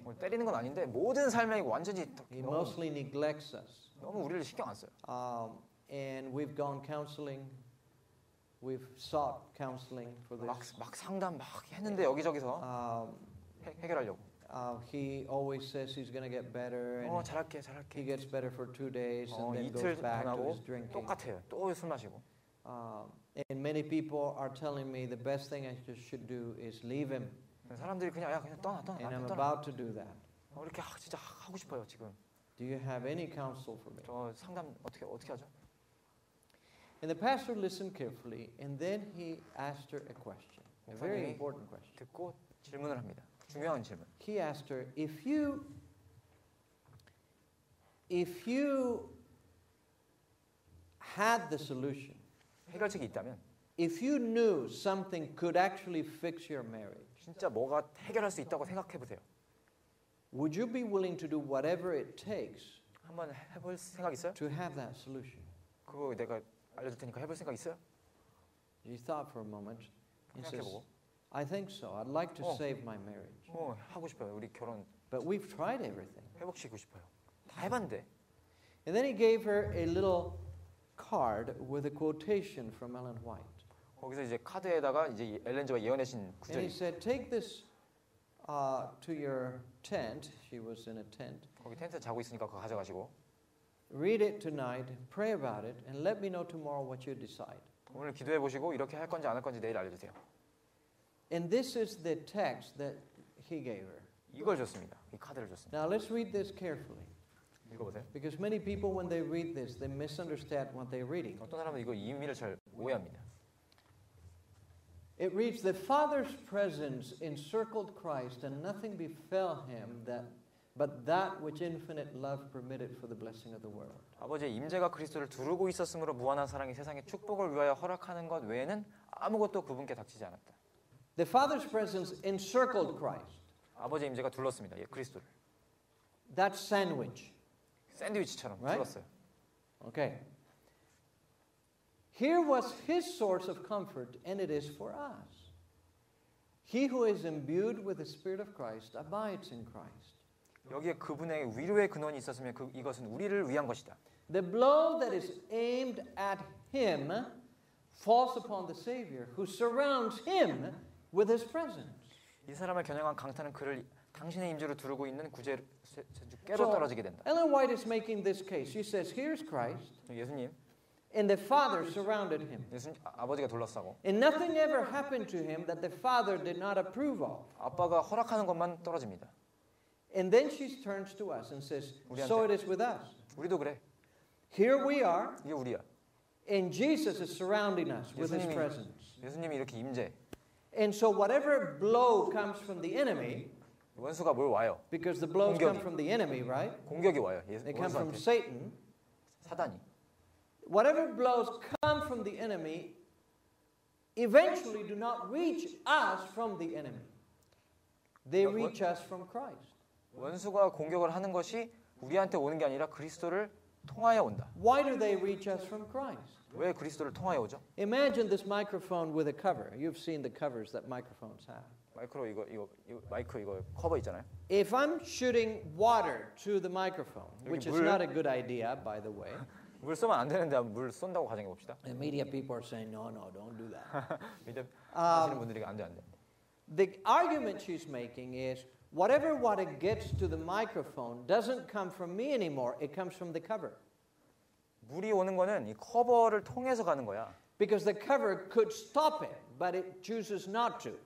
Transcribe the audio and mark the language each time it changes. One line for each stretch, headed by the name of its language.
Korean: 뭘 때리는 건 아닌데 모든 삶에 완전히
English: He mostly neglects us.
Korean: 너무 우리를 신경 안 써요.
English: And we've gone counseling. We've sought counseling for this.
Korean: 막 상담 막 했는데 여기저기서 해결하려고.
English: He always says he's going to get better. And
Korean: 어, 잘할게, 잘할게.
English: He gets better for 2 days and then goes back to his drinking.
Korean: 똑같아요. 또 술 마시고.
English: And many people are telling me the best thing I should do is leave him.
Korean: 사람들이 그냥 야 그냥 떠나 떠나.
English: And I'm about to do that.
Korean: 어, 이렇게 진짜 하고 싶어요 지금.
English: Do you have any counsel for me?
Korean: 저 상담 어떻게 하죠?
English: And the pastor listened carefully, and then he asked her a question, a very important question.
Korean: 듣고 질문을 합니다. 중요한 질문.
English: He asked her, if you had the solution,
Korean: 해결책이 있다면,
English: if you knew something could actually fix your marriage,
Korean: 진짜 뭐가 해결할 수 있다고 생각해 보세요.
English: Would you be willing to do whatever it takes?
Korean: 한번 해볼 생각 있어요?
English: To have that solution.
Korean: 그거 내가 알려줄 테니까 해볼 생각 있어요?
English: He thought for a moment.
Korean: 생각해보고.
English: I think so. I'd like to save my marriage.
Korean: 어, 하고 싶어요. 우리 결혼.
English: But we've tried everything.
Korean: 회복시키고 싶어요. 다 해봤는데.
English: And then he gave her a little card with a quotation from Ellen White.
Korean: 거기서 이제 카드에다가 이제 엘렌즈가 예언하신 구절.
English: And he said, "Take this to your tent." She was in a tent.
Korean: 거기 텐트 자고 있으니까 그거 가져가시고.
English: "Read it tonight. Pray about it, and let me know tomorrow what you decide."
Korean: 오늘 기도해 보시고 이렇게 할 건지 안 할 건지 내일 알려주세요.
English: And this is the text that he gave her.
Korean: 이걸 줬습니다. 이 카드를 줬습니다.
English: Now let's read this carefully.
Korean: 읽어보세요.
English: Because many people, when they read this, they misunderstand what they're reading.
Korean: 어떤 사람은 이거 의미를 잘 오해합니다.
English: It reads, "The Father's presence encircled Christ, and nothing befell him but that which infinite love permitted for the blessing of the world."
Korean: 아버지의 임재가 그리스도를 두르고 있었으므로 무한한 사랑이 세상에 축복을 위하여 허락하는 것 외에는 아무것도 그분께 닥치지 않았다.
English: The Father's presence encircled Christ.
Korean: 아버지의 임재가 둘렀습니다. 예, 그리스도를.
English: That sandwich.
Korean: 샌드위치처럼
English: right?
Korean: 둘렀어요.
English: Okay. Here was his source of comfort, and it is for us. He who is imbued with the Spirit of Christ abides in Christ.
Korean: 여기에 그분의 위로의 근원이 있었으면 이것은 우리를 위한 것이다.
English: The blow that is aimed at him falls upon the Savior who surrounds him with his presence.
Korean: 이 사람을 겨냥한 강탄은 그를 당신의 임재로 두르고 있는 구제로 떨어지게 된다.
English: Ellen White is making this case. She says, "Here's Christ."
Korean: 예수님.
English: And the Father surrounded him.
Korean: 예수님 아버지가 둘러싸고.
English: And nothing ever happened to him that the Father did not approve of.
Korean: 아빠가 허락하는 것만 떨어집니다.
English: And then she turns to us and says, "So it is with us."
Korean: 우리도 그래.
English: Here we are.
Korean: 이게 우리야.
English: And Jesus is surrounding us with His presence.
Korean: 예수님이 이렇게 임재.
English: And so whatever blow comes from the enemy.
Korean: 원수가 뭘 와요?
English: Because the blows come from the enemy, right?
Korean: 공격이 와요.
English: They come from Satan.
Korean: 사단이.
English: Whatever blows come from the enemy, eventually do not reach us from the enemy. They reach us from Christ.
Korean: 원수가 공격을 하는 것이 우리한테 오는 게 아니라 그리스도를 통하여 온다.
English: Why do they reach us from Christ?
Korean: 왜 그리스도를 통하여 오죠?
English: Imagine this microphone with a cover. You've seen the covers that microphones have.
Korean: 마이크로 이거 마이크 이거 커버 있잖아요.
English: If I'm shooting water to the microphone, which
Korean: 물,
English: is not a good idea, by the way.
Korean: 물 쏘면 안 되는데 물 쏜다고 가정해 봅시다.
English: The media people are saying, no, no, don't do that.
Korean: 미디어 하시는 분들이 안 돼.
English: The argument she's making is whatever water gets to the microphone doesn't come from me anymore. It comes from the cover.
Korean: 물이 오는 거는 이 커버를 통해서 가는 거야.
English: Because the cover could stop it, but it chooses not to.